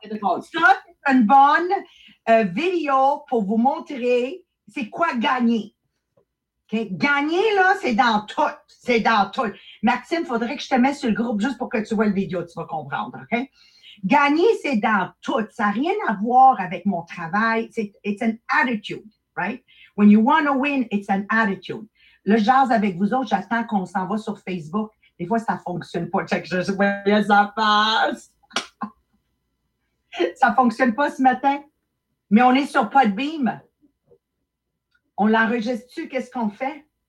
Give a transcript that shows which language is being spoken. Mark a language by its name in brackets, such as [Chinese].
[French] Ça, c'est une bonne vidéo pour vous montrer c'est quoi gagner. Okay? Gagner, là, c'est dans tout. C'est dans tout. Maxime, il faudrait que je te mette sur le groupe juste pour que tu vois la vidéo, tu vas comprendre, OK? Gagner, c'est dans tout. Ça n'a rien à voir avec mon travail. [English] It's an attitude, right? When you want to win, it's an attitude. [French] Le jazz avec vous autres, j'attends qu'on s'en va sur Facebook. Des fois, ça ne fonctionne pas. Check, je vois ça passe. Ça ne fonctionne pas ce matin. Mais on est sur Podbeam. On l'enregistre-tu? Qu'est-ce qu'on fait?